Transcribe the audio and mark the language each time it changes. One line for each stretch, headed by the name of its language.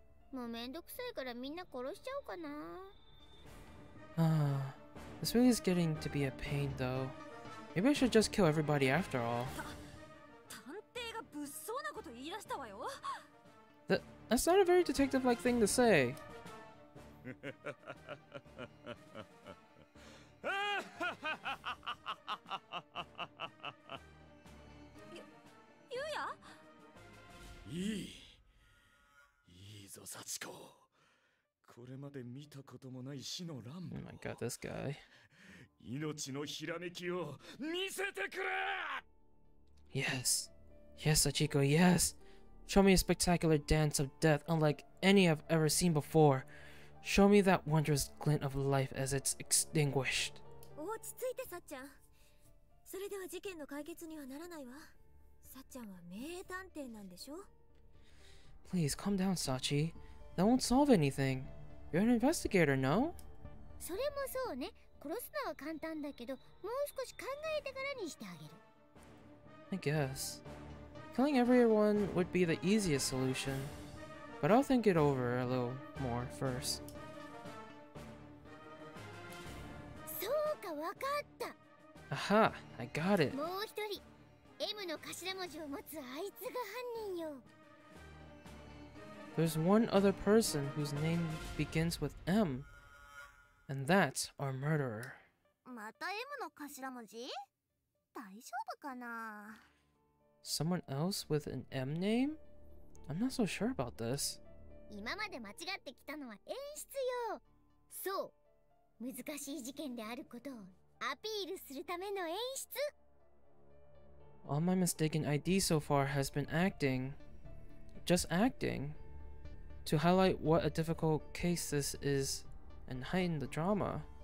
Japanese: もうめんどくさいからみんな殺しちゃおうかな。
English: This really is getting to be a pain, though. Maybe I should just kill everybody after all.
Japanese: 探偵が物騒なこと言い出したわよ。
English: That's not a very detective-like thing to say.
Japanese: ゆうや? いいぞ、サチコ。これまで見たこともない死の乱舞。
English: Oh my god, this guy.
Japanese: 命のひらめきを見せてくれ!
English: Yes. Yes, Sachiko, yes. Show me a spectacular dance of death unlike any I've ever seen before. Show me that wondrous glint of life as it's extinguished.
Japanese: 落ち着いて、サッチャン。それでは事件の解決にはならないわ。サッチャンは名探偵なんでしょ?
English: Please, calm down, Sachi. That won't solve anything. You're an investigator, no?
Japanese: それもそうね。殺すのは簡単だけど、もう少し考えてからにしてあげる。
English: I guess. Killing everyone would be the easiest solution. But I'll think it over a little more first.
Japanese: そうか、わかった。
English: Aha! I got it!
Japanese: もう一人、M の頭文字を持つあいつが犯人よ。
English: There's one other person whose name begins with M, and that's our murderer.
Japanese: また M の頭文字?大丈夫かな?
English: Someone else with an M name? I'm not so sure about this.
Japanese: 今まで間違ってきたのは演出よ。そう、難しい事件であることをアピールするための演出。
English: All my mistaken ID so far has been acting. Just acting. To highlight what a difficult case this is and heighten the drama.